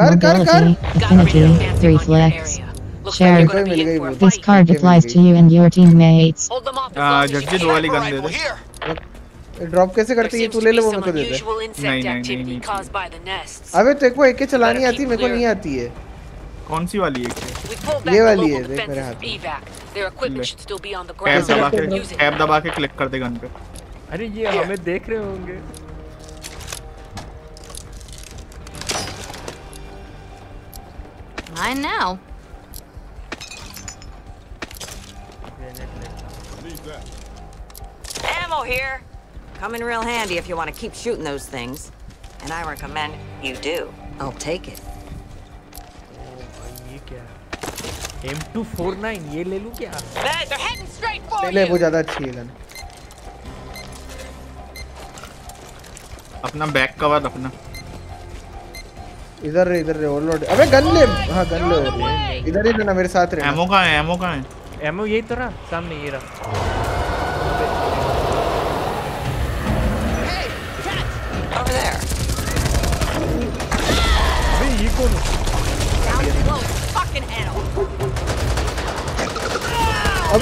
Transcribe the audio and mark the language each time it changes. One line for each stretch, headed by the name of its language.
English: कर Affinity, 3 flex. Share. This card applies to you and your teammates.
Hindi: Jagjit वाली gun दे दे। Drop कैसे करते हैं? तू ले ले वो, मेरे को दे दे। नहीं नहीं नहीं नहीं। अबे तेरे को एक चलानी आती, मेरे को नहीं आती है। कौन सी वाली एक? ये वाली है, देख मेरे हाथ में। टैब दबा के क्लिक कर दे गन पे। अरे ये हमें देख रहे होंगे।
English: I know. Ammo here. Come in real handy if you want to keep shooting those things, and I recommend you do. I'll take it.
Hindi: Oh, ये क्या? M249 ये ले लूँ क्या?
English: They're heading straight for you.
Hindi: ले ले, वो ज़्यादा अच्छी है। अपना बैक कवर, अपना इधर रे ओवरलोड अबे गन ले हां गन ले इधर ही रहना मेरे साथ रहना एमो कहां है एमो कहां है एमो यही तो रहा सामने ये रहा